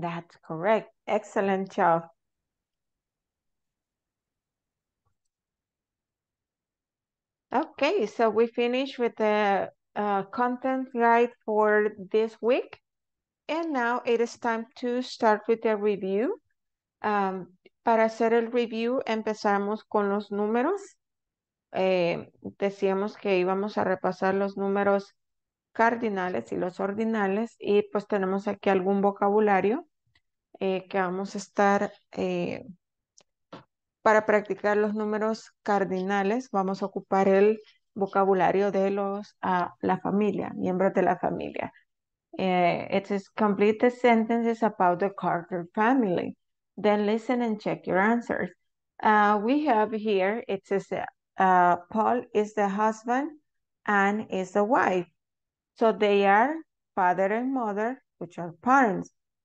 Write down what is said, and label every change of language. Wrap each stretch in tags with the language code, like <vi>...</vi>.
<en>That's correct. Excellent job. Okay, so we finished with the content guide for this week. And now it is time to start with the review.</en> <es>Para hacer el review, empezamos con los números. Decíamos que íbamos a repasar los números cardinales y los ordinales. Y pues tenemos aquí algún vocabulario que vamos a estar... Para practicar los números cardinales, vamos a ocupar el vocabulario de los la familia, miembros de la familia.</es> <en>It says, complete the sentences about the Carter family. Then listen and check your answers. We have here, it says, Paul is the husband, Anne is the wife. So they are father and mother, which are parents.</en>